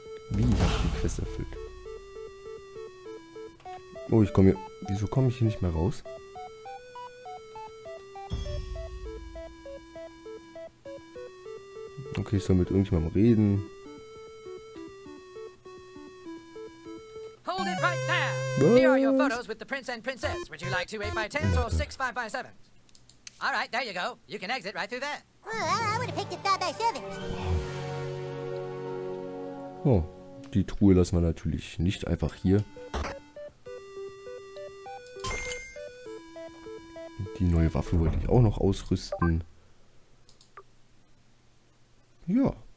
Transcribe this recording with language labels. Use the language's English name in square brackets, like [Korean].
[German] Wie, ich hab die Quest erfüllt. Oh, ich komme hier... Wieso komme ich hier nicht mehr raus? Okay, ich soll mit irgendjemandem reden. [English] Hold it right there! What? Here are your photos with the prince and princess. Would you like 2 8x10s or 6 5x7s? Alright, there you go. You can exit right through there. Well, I would have picked a 5x7s. [German] Oh, die Truhe lassen wir natürlich nicht einfach hier. Die neue Waffe wollte ich auch noch ausrüsten. Ja.